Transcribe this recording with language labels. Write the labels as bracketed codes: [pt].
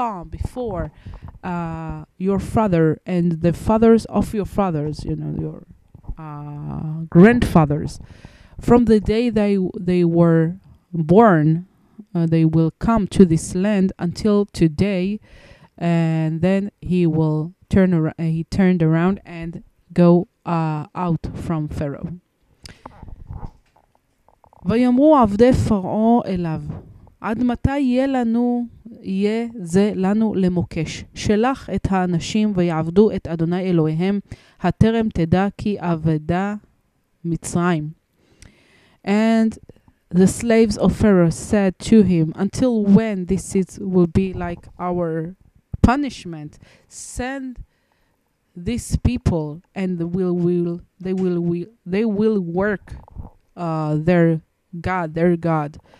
[en] before your father and the fathers of your fathers, you know, your grandfathers, from the day they were born, they will come to this land until today, and then he turned around and go out from Pharaoh. [he] ויאמרו עבדי פרעו אליו, עד מתי יהיה זה לנו למוקש? שלח את האנשים ויעבדו את אדוני אלוהיהם, הטרם תדע כי עבדה מצרים. [en] And the slaves of Pharaoh said to him, until when this is will be like our punishment? Send these people and they will work their God, their God.